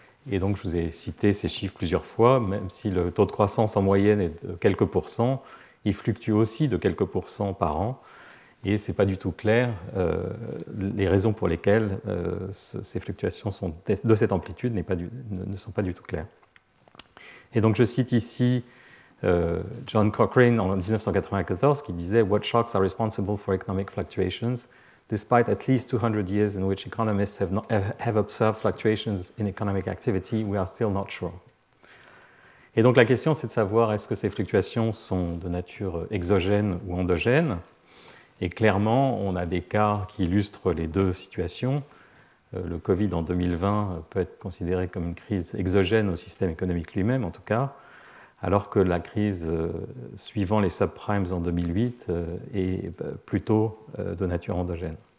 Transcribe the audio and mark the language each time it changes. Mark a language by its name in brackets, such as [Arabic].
[French] Et donc je vous ai cité ces chiffres plusieurs fois, même si le taux de croissance en moyenne est de quelques pourcents, il fluctue aussi de quelques pourcents par an, et ce n'est pas du tout clair les raisons pour lesquelles ces fluctuations sont de cette amplitude ne sont pas du tout claires. Et donc je cite ici John Cochrane en 1994 qui disait: [English] What shocks are responsible for economic fluctuations, despite at least 200 years in which economists have observed fluctuations in economic activity, we are still not sure. [French] Et donc la question c'est de savoir est-ce que ces fluctuations sont de nature exogène ou endogène? Et clairement, on a des cas qui illustrent les deux situations. Le Covid en 2020 peut être considéré comme une crise exogène au système économique lui-même, en tout cas, alors que la crise suivant les subprimes en 2008 est plutôt de nature endogène.